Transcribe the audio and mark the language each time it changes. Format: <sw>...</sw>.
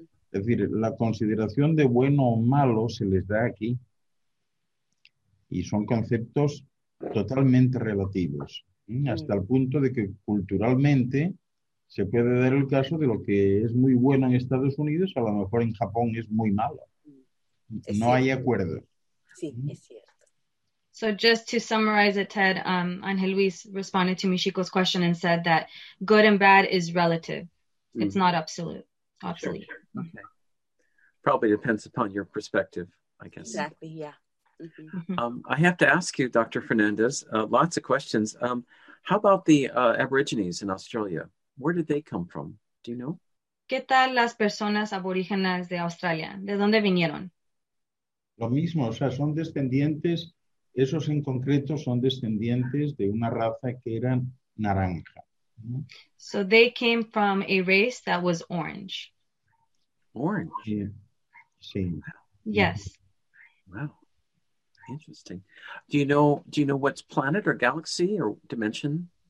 <es>Es decir, la consideración de bueno o malo se les da aquí. Y son conceptos totalmente relativos. Hasta el punto de que culturalmente se puede dar el caso de lo que es muy bueno en Estados Unidos, a lo mejor en Japón es muy malo. No hay acuerdo. Sí, es cierto.</es> <en>So just to summarize it, Ted, Angel Luis responded to Michiko's question and said that good and bad is relative. It's not absolute. Absolutely. Sure, sure. Okay. Probably depends upon your perspective, I guess. Exactly, yeah. Mm-hmm. I have to ask you, Dr. Fernandez, lots of questions. How about the Aborigines in Australia? Where did they come from? Do you know?</en> <es>¿Qué tal las personas aborígenes de Australia? ¿De dónde vinieron? Lo mismo, o sea, son descendientes. Esos en concreto son descendientes de una raza que era naranja.</es> <en>So they came from a race that was orange. Orange?</en> <es>Sí.</es> <en>Yes. Wow. Interesting. Do you know what's planet or galaxy or dimension?</en>